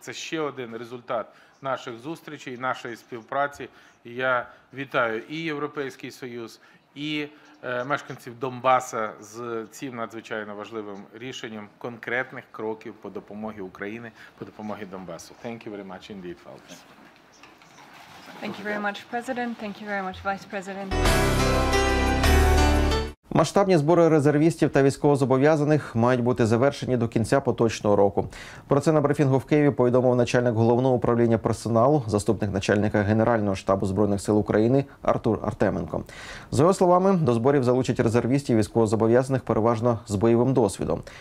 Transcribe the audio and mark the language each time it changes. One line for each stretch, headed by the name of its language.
Ukrainian: Це ще один результат наших зустрічей, нашої співпраці. І я вітаю і Європейський Союз, і мешканців Донбаса з цим надзвичайно важливим рішенням конкретних кроків по допомозі Україні, по допомозі Донбасу.
English: Thank you very much indeed, Фалкс. Thank you very much, President. Thank you very much, Vice President.
Ukrainian: Масштабні збори резервістів та військовозобов'язаних мають бути завершені до кінця поточного року. Про це на брифінгу в Києві повідомив начальник головного управління персоналу, заступник начальника Генерального штабу Збройних сил України Артур Артеменко. За його словами, до зборів залучать резервістів військовозобов'язаних переважно з бойовим досвідом.